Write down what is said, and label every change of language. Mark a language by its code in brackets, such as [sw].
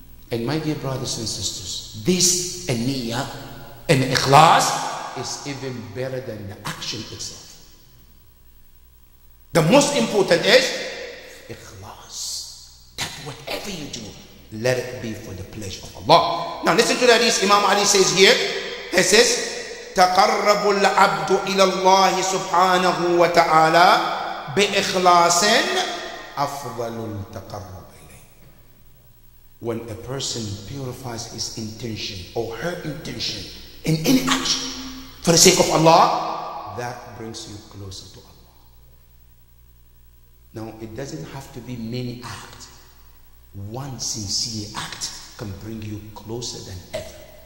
[en] And my dear brothers and sisters, this niyyah and ikhlas is even better than the action itself. The most important is ikhlas. That whatever you do, let it be for the pleasure of Allah. Now listen to the hadith Imam Ali says here. He says, [ar] تقرب العبد إلى الله سبحانه وتعالى بإخلاص أفضل التقرب إليه. [en] When a person purifies his intention or her intention in any action for the sake of Allah, that brings you closer to Allah. Now, it doesn't have to be many acts. One sincere act can bring you closer than ever.